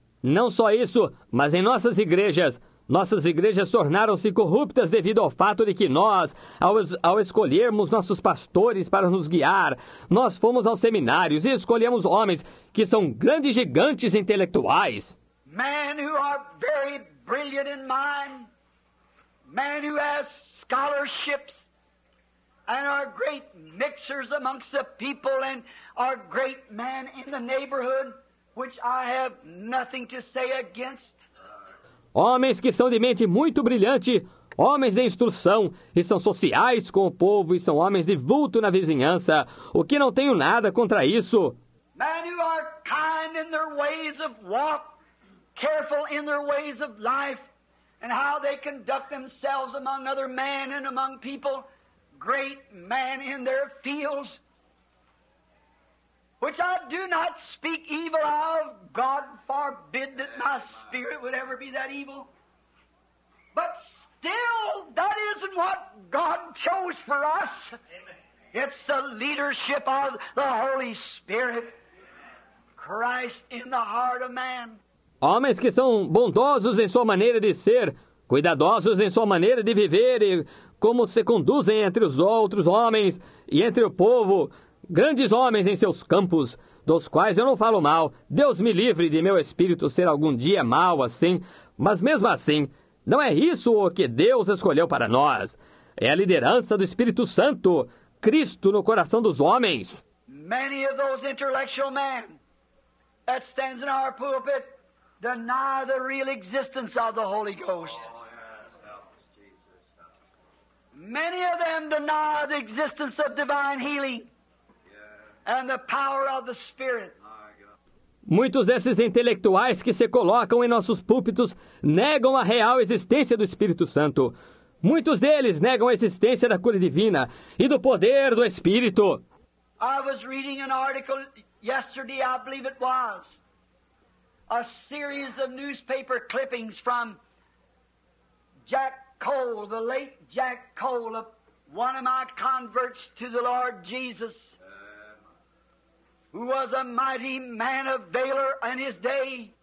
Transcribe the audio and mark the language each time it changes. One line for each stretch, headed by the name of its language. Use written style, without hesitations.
Portuguese: Não só isso, mas em nossas igrejas tornaram-se corruptas devido ao fato de que nós, ao escolhermos nossos pastores para nos guiar, nós fomos aos seminários e escolhemos homens que são grandes gigantes intelectuais.
English: Men who are very brilliant in mind. Men who have scholarships and are great mixers amongst the people and are great men in the neighborhood, which I have nothing to say against.
Portuguese: Homens que são de mente muito brilhante, homens de instrução e são sociais com o povo e são homens de vulto na vizinhança, o que não tenho nada contra isso.
English: Men who are kind in their ways of walk, careful in their ways of life, and how they conduct themselves among other men and among people, great men in their fields, which I do not speak evil of, God forbid that my spirit would ever be that evil. But still, that isn't what God chose for us. Amen. It's the leadership of the Holy Spirit. Christ in the heart of man.
Portuguese: Homens que são bondosos em sua maneira de ser, cuidadosos em sua maneira de viver e como se conduzem entre os outros homens e entre o povo, grandes homens em seus campos, dos quais eu não falo mal. Deus me livre de meu espírito ser algum dia mal assim, mas mesmo assim, não é isso o que Deus escolheu para nós. É a liderança do Espírito Santo, Cristo no coração dos homens.
English: Many of those intellectual men that stands in our pulpit deny the real existence of the Holy Ghost. Many of them deny the existence of divine healing and the power of the Spirit.
Portuguese: Muitos desses intelectuais que se colocam em nossos púlpitos negam a real existência do Espírito Santo. Muitos deles negam a existência da cura divina e do poder do Espírito.
English: I was reading an article yesterday, I believe it was, a series of newspaper clippings from Jack Cole, the late Jack Cole, one of my converts to the Lord Jesus, who was a mighty man of valor in his day.